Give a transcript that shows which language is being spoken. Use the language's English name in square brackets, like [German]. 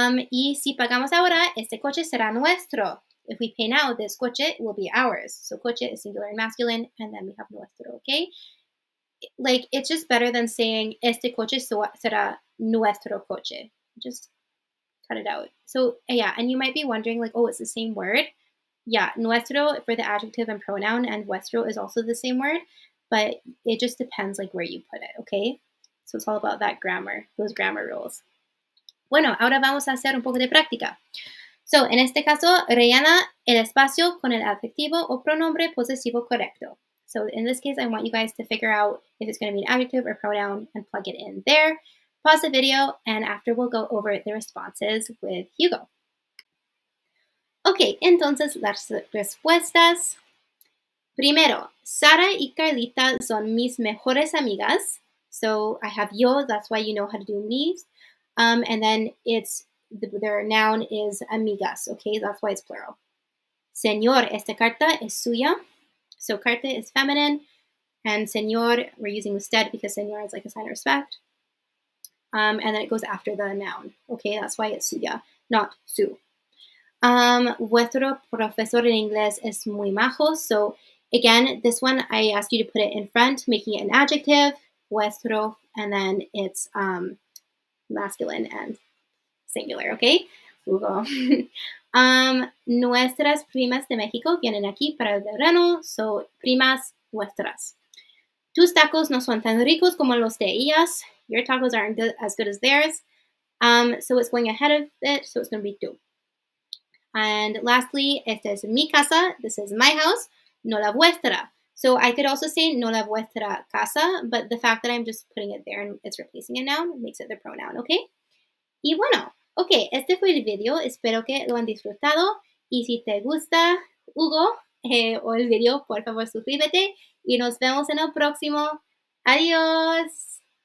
[Spanish] Y si pagamos ahora, este coche será nuestro. [English] If we pay now, this coche will be ours. So coche is singular and masculine, and then we have nuestro, okay? Like, it's just better than saying [Spanish] este coche será nuestro coche. [English] Just cut it out. So yeah, and you might be wondering like, oh, it's the same word. Yeah, nuestro for the adjective and pronoun, and vuestro is also the same word, but it just depends like where you put it, okay? So it's all about that grammar, those grammar rules. [Spanish] Bueno, ahora vamos a hacer un poco de práctica. So, en este caso, rellena el espacio con el adjetivo o pronombre posesivo correcto. [English] So, in this case, I want you guys to figure out if it's going to be an adjective or pronoun and plug it in there. Pause the video, and after we'll go over the responses with Hugo. [Spanish] Okay, entonces las respuestas. Primero, Sara y Carlita son mis mejores amigas. [English] So I have yo, that's why you know how to do me. And then it's their noun is amigas, okay? That's why it's plural. [Spanish] Señor, esta carta es suya. [English] So carta is feminine. And señor, we're using usted because señor is like a sign of respect. And then it goes after the noun, okay? That's why it's suya, not su. [Spanish] Vuestro profesor en inglés es muy majo. [English] So again, this one, I ask you to put it in front, making it an adjective. Vuestro, and then it's masculine and singular, okay? Hugo. [Spanish] nuestras primas de México vienen aquí para el verano, so primas vuestras. Tus tacos no son tan ricos como los de ellas. [English] Your tacos aren't as good as theirs. So it's going ahead of it, so it's going to be tú. And lastly, [Spanish] esta es mi casa, [English] this is my house, [Spanish] no la vuestra. [English] So I could also say [Spanish] no la vuestra casa, [English] but the fact that I'm just putting it there and it's replacing a noun makes it the pronoun, okay? [Spanish] Y bueno, okay, este fue el video. Espero que lo han disfrutado. Y si te gusta, Hugo, o el video, por favor, suscríbete. Y nos vemos en el próximo. Adiós.